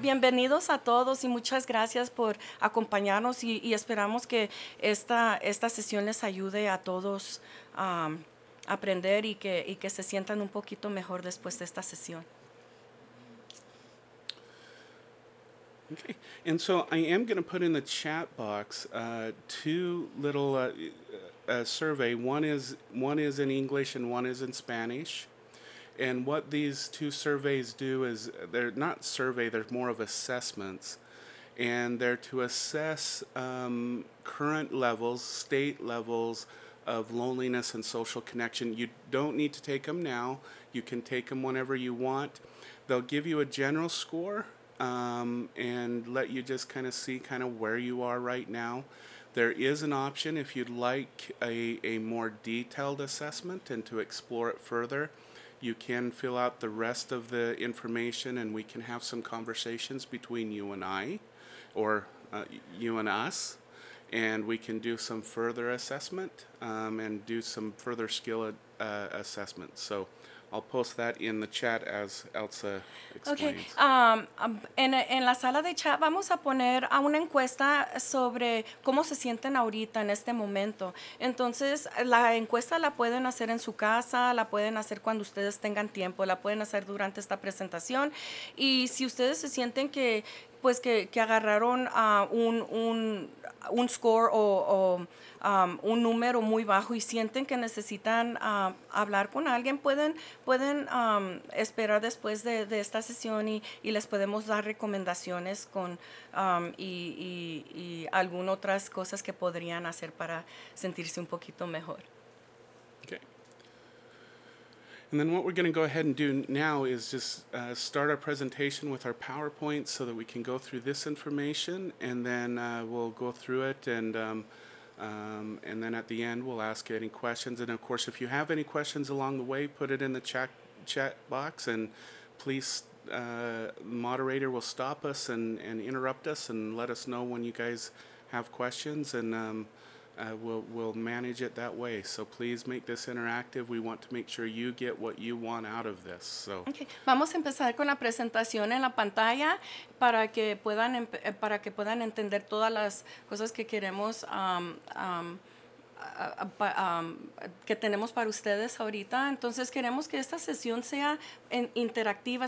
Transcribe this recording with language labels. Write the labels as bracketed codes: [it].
[es] Bienvenidos a todos y muchas gracias por acompañarnos y esperamos que esta sesión les ayude a todos a aprender y que se sientan un poquito mejor después de esta sesión. [en] Okay, and so I am going to put in the chat box two little survey. One is in English and one is in Spanish. And what these two surveys do is, they're not survey, they're more of assessments. And they're to assess current levels, state levels of loneliness and social connection. You don't need to take them now. You can take them whenever you want. They'll give you a general score and let you just kind of see kind of where you are right now. There is an option if you'd like a more detailed assessment and to explore it further. You can fill out the rest of the information and we can have some conversations between you and I, or you and us, and we can do some further assessment and do some further skill assessments. So I'll post that in the chat as Elsa explains. Okay. [es] En la sala de chat vamos a poner a una encuesta sobre cómo se sienten ahorita en este momento. Entonces, la encuesta la pueden hacer en su casa, la pueden hacer cuando ustedes tengan tiempo, la pueden hacer durante esta presentación. Y si ustedes se sienten que agarraron un score o un número muy bajo y sienten que necesitan hablar con alguien, pueden esperar después de esta sesión y les podemos dar recomendaciones con y algunas otras cosas que podrían hacer para sentirse un poquito mejor. [en] And then what we're going to go ahead and do now is just start our presentation with our PowerPoint so that we can go through this information, and then we'll go through it, and then at the end we'll ask any questions. And of course, if you have any questions along the way, put it in the chat box, and please, moderator will stop us and interrupt us and let us know when you guys have questions, and we'll manage it that way. So please make this interactive. We want to make sure you get what you want out of this. So. Okay. [es] Vamos a empezar con la presentación en la pantalla para que puedan entender todas las cosas que queremos que tenemos para ustedes ahorita. Entonces queremos que esta sesión sea interactiva.